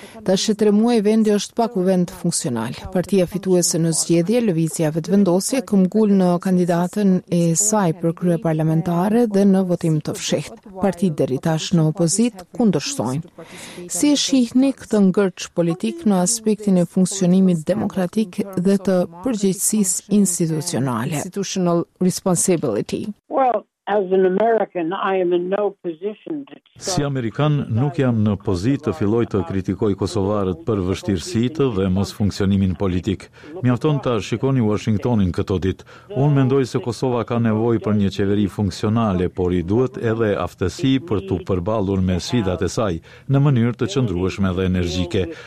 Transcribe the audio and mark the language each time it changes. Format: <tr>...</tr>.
<sq>Tash e 3 muaj vendi është pa kuvent funksional. Partia fituese në zgjedhje, Lëvizja Vetëvendosje, këmbgul në kandidatën e saj për krye parlamentare dhe në votim të fshehtë. Partitë deri tash në opozit kundërshtojnë. Si e shihni këtë ngërç politik në aspektin e funksionimit demokratik dhe të përgjegjësisë institucionale?</sq> <en>Responsibility. Well, as an American, I am in no position to start.</en> <sq>Si amerikan nuk jam në pozitë të filloj të kritikoj kosovarët për vështirësitë dhe mosfunksionimin politik. Mjafton ta shikoni Washingtonin këto ditë. Unë mendoj se Kosova ka nevojë për një qeveri funksionale, por i duhet edhe aftësi për t'u përballur me sfidat e saj në mënyrë të qëndrueshme dhe energjike.</sq>